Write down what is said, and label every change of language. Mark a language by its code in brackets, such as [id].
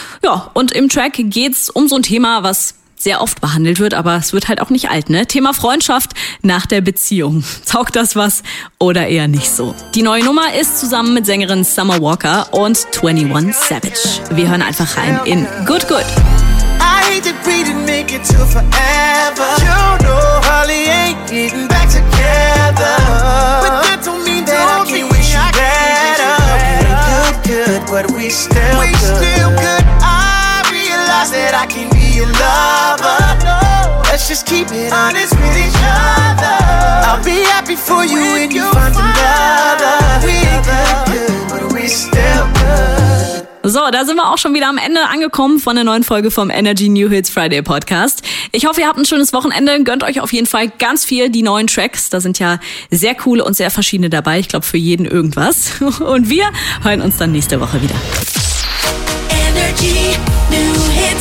[de] Ja, und im Track geht's um so ein Thema, was sehr oft behandelt wird, aber es wird halt auch nicht alt, ne? Thema Freundschaft nach der Beziehung. Taugt das was oder eher nicht so? Die neue Nummer ist zusammen mit Sängerin Summer Walker und 21 Savage. Wir hören einfach rein in Good Good. [en] I hate that we didn't make it to forever. You know Holly ain't getting back together. But that don't mean that don't I can't mean wish you better. Better. Good, good, but we still good. We still good. I realize that I can't. Lover, no. Let's just keep it honest with each other. I'll be happy for you when you find another. We ain't good, but we still good. [de] So, da sind wir auch schon wieder am Ende angekommen von der neuen Folge vom Energy New Hits Friday Podcast. Ich hoffe, ihr habt ein schönes Wochenende. Gönnt euch auf jeden Fall ganz viel die neuen Tracks. Da sind ja sehr coole und sehr verschiedene dabei. Ich glaube, für jeden irgendwas. Und wir hören uns dann nächste Woche wieder. Energy New Hits.